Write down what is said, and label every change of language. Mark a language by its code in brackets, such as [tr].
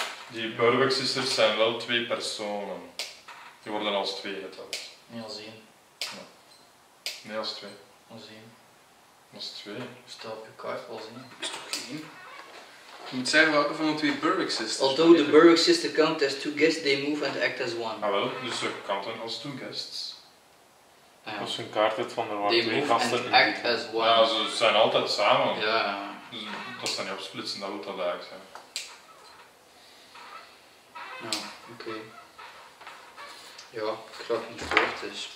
[nl] Die Burwick sisters zijn wel twee personen. Die worden als twee geteld. Nee, als één. Ja. Nee, als twee. Als één. Als twee. Stel op je kaart als één. Is toch één? Je moet zeggen welke van de twee Burwick sisters. [en] Although the Burwick sisters count as two guests, they move and act as one. [nl] Ah, wel, dus ze counten als [en] two guests. [nl] Ah, ja. Als je een kaart hebt van er waren twee gasten. [en] They move and act as one. [nl] Ja, ze zijn altijd samen. Ja. Dus dat ze niet opsplitsen, dat wil dat eigenlijk zijn. Ja, oké. Okay. Ja, ik raak niet voor, dus...